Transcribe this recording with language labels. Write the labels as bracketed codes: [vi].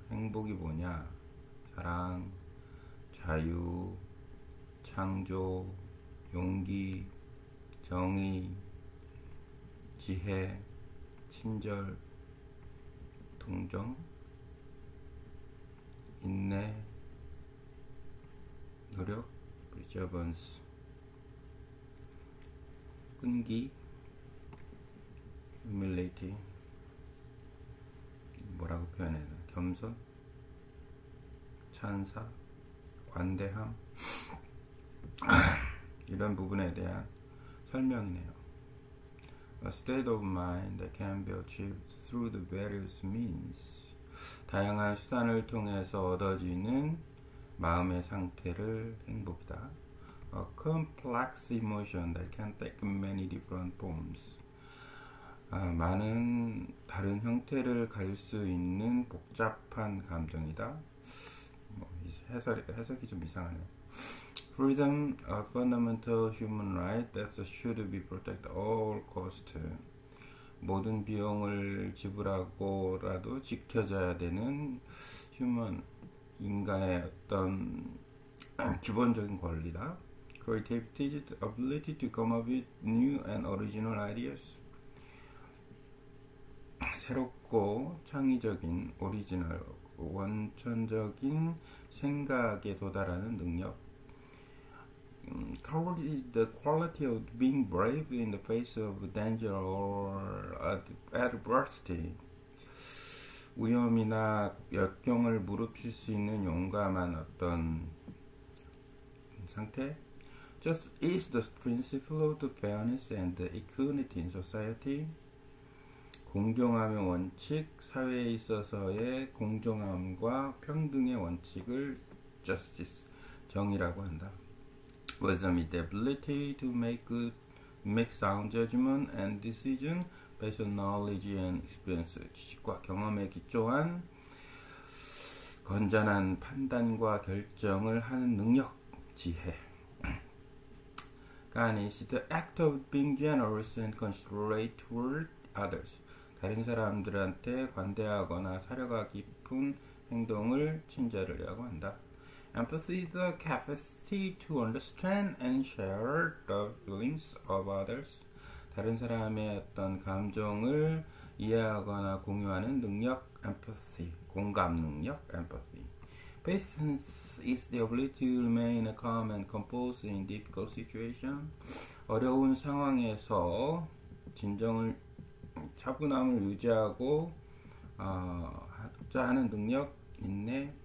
[ko] 행복이 뭐냐? 사랑, 자유, 창조, 용기, 정의, 지혜, 친절, 동정, 인내, 노력, perseverance, 끈기, humility, 뭐라고 표현해야 되나? 겸손, 찬사, 관대함, 이런 부분에 대한 설명이네요. [en] A state of mind that can be achieved through the various means. [ko] 다양한 수단을 통해서 얻어지는 마음의 상태를 행복이다. [en] A complex emotion that can take many different forms. [ko] 많은 다른 형태를 가질 수 있는 복잡한 감정이다. 뭐, 해석이 좀 이상하네. [en] Freedom, a fundamental human right that should be protected at all costs. [ko] 모든 비용을 지불하고라도 지켜져야 되는 human, 인간의 어떤 기본적인 권리다. [en] Creativity, ability to come up with new and original ideas. [ko] 새롭고 창의적인, 오리지널, 원천적인 생각에 도달하는 능력. [en] Courage is the quality of being brave in the face of danger or adversity. [ko] 위험이나 역경을 무릅쓸 수 있는 용감한 어떤 상태. [en] Just is the principle of the fairness and the equity in society. [ko] 공정함의 원칙, 사회에 있어서의 공정함과 평등의 원칙을 justice, 정의라고 한다. [en] Wisdom is the ability to make sound judgment and decision based on knowledge and experience. [ko] 지식과 경험에 기초한 건전한 판단과 결정을 하는 능력, 지혜. [en] Kindness is the act of being generous and considerate toward others. [ko] 다른 사람들한테 관대하거나 사려가 깊은 행동을 친절이라고 한다. [en] Empathy is the capacity to understand and share the feelings of others. [ko] 다른 사람의 어떤 감정을 이해하거나 공유하는 능력, empathy, 공감 능력, empathy. [en] Patience is the ability to remain calm and composed in difficult situations. [ko] 어려운 상황에서 진정을, 차분함을 유지하고, 하는 능력, 인내.